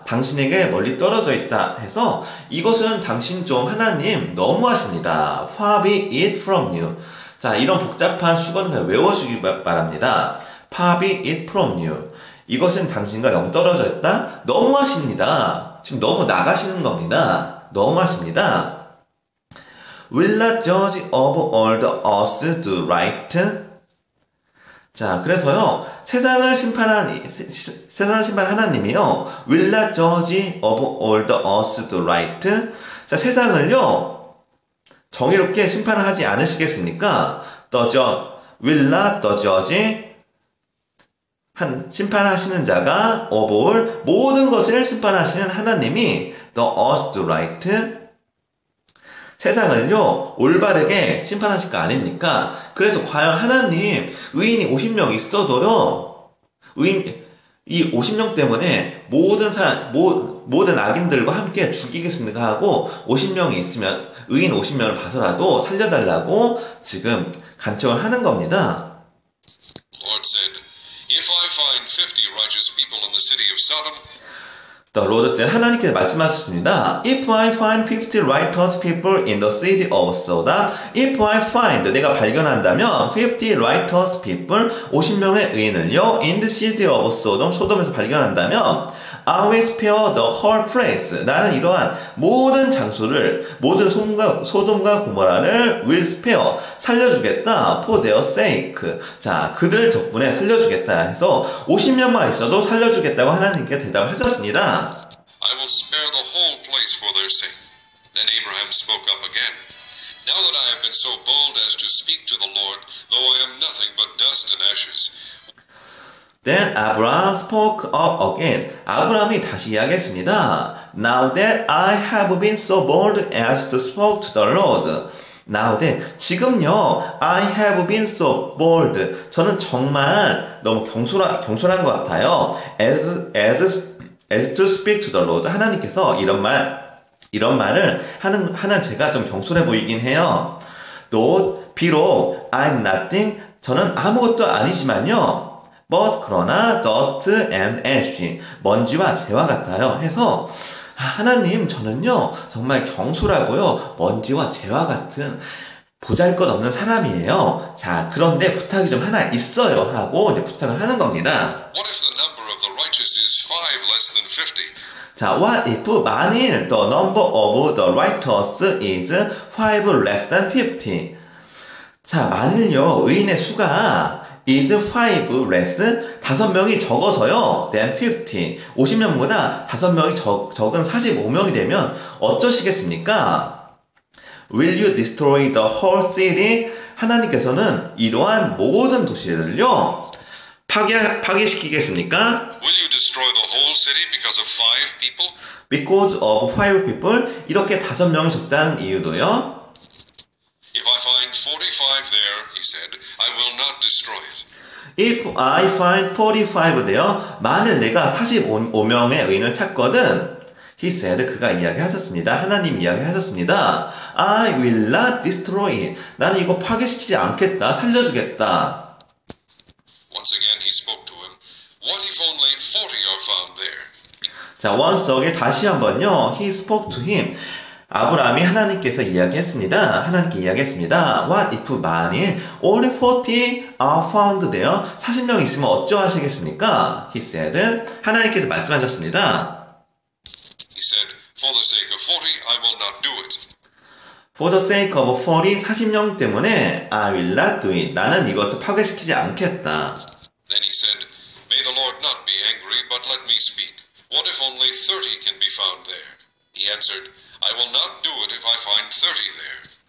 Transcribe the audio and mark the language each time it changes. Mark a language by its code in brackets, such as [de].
[ko] 당신에게 멀리 떨어져 있다 해서, 이것은 당신 좀 하나님 너무하십니다. [en] far be it from you. [ko] 자, 이런 복잡한 수건을 외워주기 바랍니다. [en] far be it from you. [ko] 이것은 당신과 너무 떨어져 있다? 너무하십니다. 지금 너무 나가시는 겁니다. 너무하십니다. [en] Will not judge of all the earth do right? [ko] 자, 그래서요, 세상을 심판 하나님이요, [en] Will not judge of all the earth do right? [ko] 자, 세상을요, 정의롭게 심판을 하지 않으시겠습니까? [en] Will not the judge [ko] 심판하시는 자가 of all 모든 것을 심판하시는 하나님이 [en] the earth to right [ko] 세상을요 올바르게 심판하실 거 아닙니까? 그래서 과연 하나님 의인이 50명 있어도요 이 50명 때문에 모든 악인들과 함께 죽이겠습니까? 하고 50명이 있으면 의인 50명을 봐서라도 살려달라고 지금 간청을 하는 겁니다. [en] Lord said, If I find 50 righteous people in the city of Sodom, the Lord said, [ko] 하나님께서 말씀하셨습니다. [en] If I find 50 righteous people in the city of Sodom, if I find, 내가 발견한다면, 50 righteous people, [ko] 50명의 의인을요, [en] in the city of Sodom, [ko] 소돔에서 발견한다면, [en] I will spare the whole place. [ko] 나는 이러한 모든 장소를, 모든 소돔과 고모라를 [en] will spare. [ko] 살려주겠다. [en] For their sake. [ko] 자, 그들 덕분에 살려주겠다. 해서 50명만 있어도 살려주겠다고 하나님께 대답을 해줬습니다. [en] I will spare the whole place for their sake. Then Abraham spoke up again. Now that I have been so bold as to speak to the Lord, though I am nothing but dust and ashes, Then Abraham spoke up again. [ko] 아브라함이 다시 이야기했습니다. [en] Now that I have been so bold as to speak to the Lord. Now that, [ko] 지금요, [en] I have been so bold. [ko] 저는 정말 너무 경솔한 것 같아요. [en] As to speak to the Lord. [ko] 하나님께서 이런 말을 하는 제가 좀 경솔해 보이긴 해요. [en] Though, [ko] 비록 [en] I'm nothing. [ko] 저는 아무것도 아니지만요. [en] But [ko] 그러나 [en] dust and ash [ko] 먼지와 재와 같아요. 해서 하나님 저는요 정말 경솔하고요 먼지와 재와 같은 보잘것없는 사람이에요. 자 그런데 부탁이 좀 하나 있어요 하고 이제 부탁을 하는 겁니다. [en] What if the number of the righteous is five less than 50? 자, what if, [ko] 만일, [en] the number of the writers is 5 less than 50. [ko] 자, 만일요, 의인의 수가 [en] is 5 less, [ko] 5명이 적어서요, [en] than 50. [ko] 50명보다 5명이 적은 45명이 되면 어쩌시겠습니까? [en] Will you destroy the whole city? [ko] 하나님께서는 이러한 모든 도시를요, 파괴시키겠습니까? [en] Will you destroy the whole city because of five people? Because of five people, [ko] 이렇게 5명이 적다는 이유도요. [en] If I find 45 there, he said, I will not destroy it. If I find 45 there, [ko] 만일 내가 45명의 의인을 찾거든, [en] he said, [ko] 그가 이야기하셨습니다. 하나님 이야기하셨습니다. [en] I will not destroy it. [ko] 나는 이거 파괴시키지 않겠다. 살려주겠다. [en] Once again, he spoke to him. What if only 40 are found there? 자, once again, [ko] 다시 한번요. [en] He spoke to him. [ko] 아브라함이 하나님께서 이야기했습니다. 하나님께 이야기했습니다. [en] What if, [ko] 만일, [en] only 40 are found there? [ko] 40명 있으면 어쩌하시겠습니까? [en] He said, [ko] 하나님께서 말씀하셨습니다. [en] He said, for the sake of 40, I will not do it. For the sake of 40, [ko] 40명 때문에, [en] I will not do it. [ko] 나는 이것을 파괴시키지 않겠다. [en] Then he said, may the Lord not be angry, but let me speak. What if only 30 can be found there? He answered, I will not do it if I find 30 there.